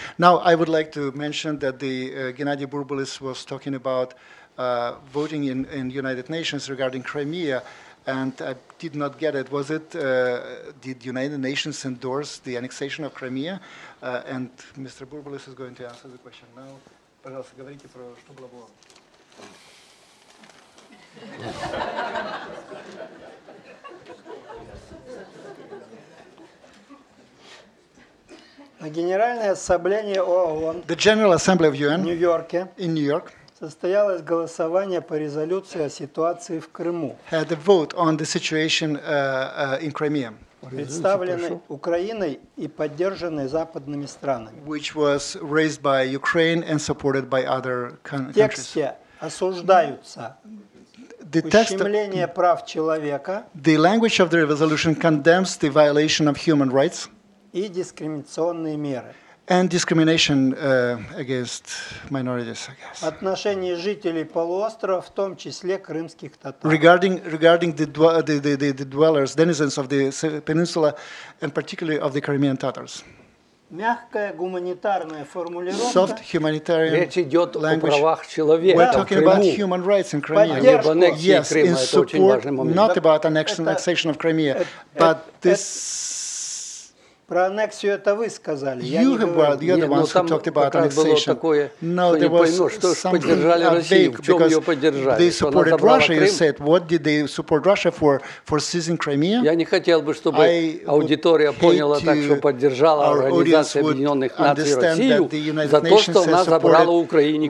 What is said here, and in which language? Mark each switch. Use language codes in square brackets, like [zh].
[en] Now, I would like to mention that the Gennady Burbulis was talking about voting in United Nations regarding Crimea. And I did not get it. Was it, did United Nations endorse the annexation of Crimea? And Mr. Burbulis is going to answer the question now. [ru] Пожалуйста, говорите про что было бы. Генеральное собрание ООН. [en] The General Assembly of UN. [ru] В Нью-Йорке. [en] In New York. [ru] Состоялось голосование по резолюции о ситуации в Крыму. [en] Had a vote on the situation in Crimea. [ru] Представленной Украиной и поддержанной западными странами. [en] Which was raised by Ukraine and supported by other countries. [ru] В тексте осуждаются. [en] The text, [ru] ущемление прав человека. [en] The language of the resolution condemns the violation of human rights. [ru] И дискриминационные меры. [en] And discrimination against minorities, I guess. [ru] Отношение жителей полуострова, в том числе крымских татар. [en] Regarding the dwellers, denizens of the peninsula, and particularly of the Crimean Tatars. [ru] Мягкая гуманитарная формулировка. [en] Soft humanitarian language. [ru] Речь идет о правах человека. [en] We're talking about human rights in Crimea. [ru] Поддержку. [en] Yes, in support, not about annexation of Crimea, but this. [ru] Про аннексию это вы сказали. [en] You have been the ones who talked about annexation. [ru] Такое, [en] no, there was something vague, they supported Russia, you said. What did they support Russia for seizing Crimea? [ru] Я не хотел бы, чтобы аудитория поняла так, что поддержала Организация Объединенных Наций Россию за то, что она забрала у Украины